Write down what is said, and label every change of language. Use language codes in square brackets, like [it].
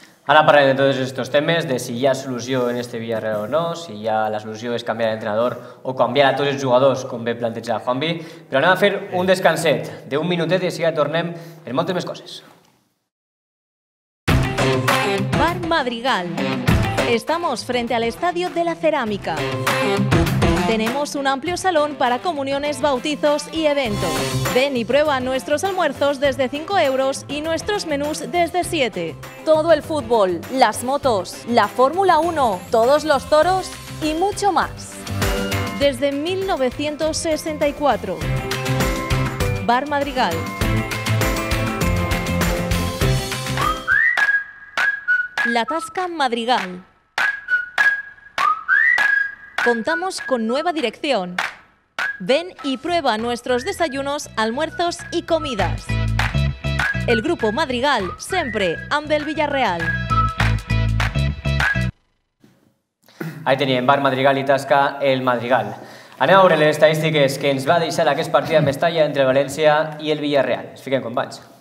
[ca] Ara parlem de tots aquests temes, de si hi ha solució en aquest Villarreal o no, si hi ha la solució és canviar l'entrenador o canviar a tots els jugadors, com bé planteja Juanvi, però anem a fer un descanset d'un minutet i així ja tornem en moltes més coses. [es] Bar Madrigal. Estamos frente al Estadio de la Cerámica. Tenemos un amplio salón para comuniones, bautizos y eventos. Ven y prueba nuestros almuerzos desde 5 euros y nuestros menús desde 7. Todo el fútbol, las motos, la Fórmula 1, todos los toros y mucho más. Desde 1964. Bar Madrigal. La Tasca Madrigal. Contamos con nueva dirección. Ven y prueba nuestros desayunos, almuerzos y comidas. El Grupo Madrigal, siempre amb el Villarreal. [ca] Ahí tenien Bar Madrigal i Tasca el Madrigal. Anem a veure les estadístiques que ens va deixar aquest partit amb Mestalla entre València i el Villarreal. Es fiquen companys.